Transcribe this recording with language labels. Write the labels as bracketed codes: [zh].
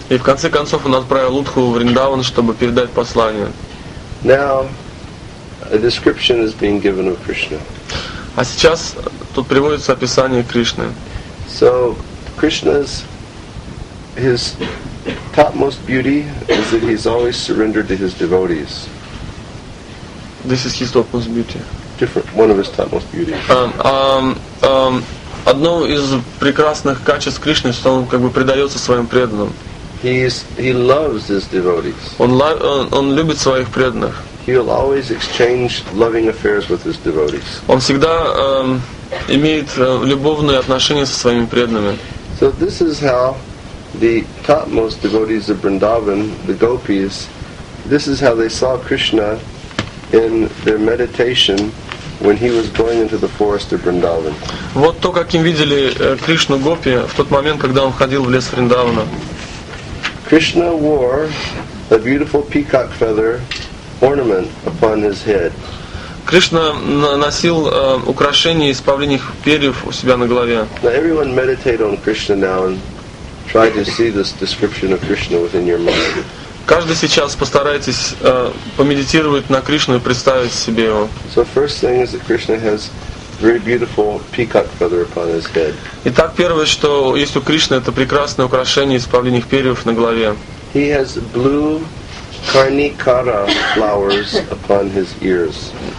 [ru] И в конце концов он отправил Удху в Вриндаван, чтобы передать послание. [en] Now a description is being given of Krishna. [ru] А сейчас тут приводится описание Кришны. [en] So Krishna's topmost beauty is that he's always surrendered to his devotees. This is his topmost beauty. Different. One of his topmost beauties. [ru] Одно из прекрасных качеств Кришны, что он как бы предается своим преданным. [en] He loves his devotees. [ru] Он любит своих преданных. [en] He will always exchange loving affairs with his devotees. [ru] Он всегда имеет любовные отношения со своими преданными. [en] So this is how the topmost devotees of Vrindavan, the gopis, this is how they saw Krishna in their meditation when he was going into the forest of Vrindavan. [ru] Вот то, как им видели Кришну гопи в тот момент, когда он входил в лес Вриндавана. [en] Krishna wore a beautiful peacock feather ornament upon his head. [ru] Кришна носил украшение из павлиньих перьев у себя на голове. [en] Now everyone meditate on Krishna now and try to see this description of Krishna within your mind. [ru] Каждый сейчас постарайтесь помедитировать на Кришну и представить себе его. [en] So first thing is that Krishna has very beautiful peacock feather upon his head. [ru] Итак, первое, что есть у Кришны, это прекрасное украшение из павлиньих перьев на голове. [en] He has blue Karnikara flowers upon his ears.